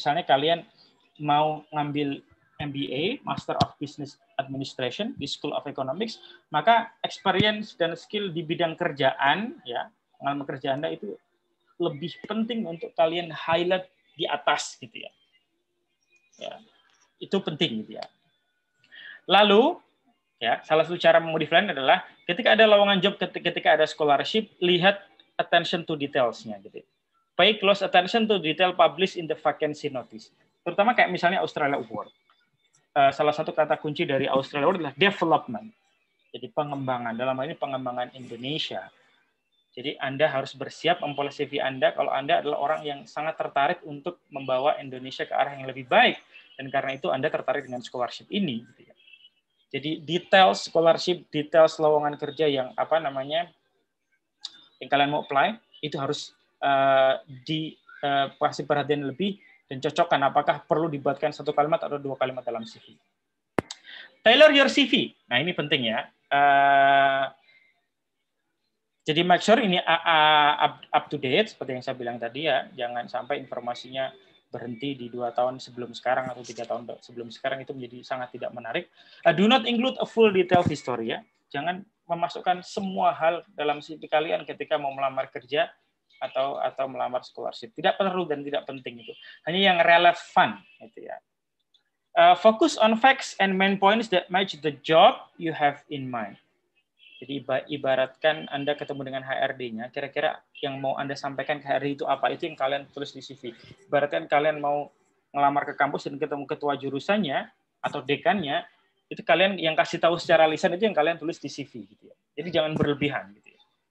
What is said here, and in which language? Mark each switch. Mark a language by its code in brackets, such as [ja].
[id] Misalnya kalian mau ngambil MBA, Master of Business Administration di School of Economics, maka experience dan skill di bidang kerjaan, ya, pengalaman kerja Anda itu lebih penting untuk kalian highlight di atas gitu ya. Ya, itu penting gitu ya. Lalu ya, salah satu cara memodifikasi adalah ketika ada lowongan job, ketika ada scholarship, lihat [en] attention to details- [id] nya gitu. [en] Pay close attention to detail published in the vacancy notice. [id] Terutama kayak misalnya Australia Award. Salah satu kata kunci dari Australia Award adalah development. Jadi pengembangan, dalam hal ini pengembangan Indonesia. Jadi Anda harus bersiap mempoles CV Anda kalau Anda adalah orang yang sangat tertarik untuk membawa Indonesia ke arah yang lebih baik. Dan karena itu Anda tertarik dengan scholarship ini. Jadi detail scholarship, detail lowongan kerja yang apa namanya yang kalian mau apply, itu harus dikasih perhatian lebih dan cocokkan apakah perlu dibuatkan satu kalimat atau dua kalimat dalam CV. [en] Tailor your CV. [id] Nah ini penting ya. Jadi [en] make sure [id] ini up to date, seperti yang saya bilang tadi ya, jangan sampai informasinya berhenti di 2 tahun sebelum sekarang atau 3 tahun sebelum sekarang, itu menjadi sangat tidak menarik. [en] Do not include a full detailed history ya. [id] Jangan memasukkan semua hal dalam CV kalian ketika mau melamar kerja atau melamar scholarship. Tidak perlu dan tidak penting itu. Hanya yang relevan gitu ya. [en] Focus on facts and main points that match the job you have in mind. [id] Jadi ibaratkan Anda ketemu dengan HRD-nya, kira-kira yang mau Anda sampaikan ke HRD itu apa, itu yang kalian tulis di CV. Ibaratkan kalian mau ngelamar ke kampus dan ketemu ketua jurusannya atau dekannya, itu kalian yang kasih tahu secara lisan, itu yang kalian tulis di CV. Gitu ya. Jadi jangan berlebihan. Gitu ya.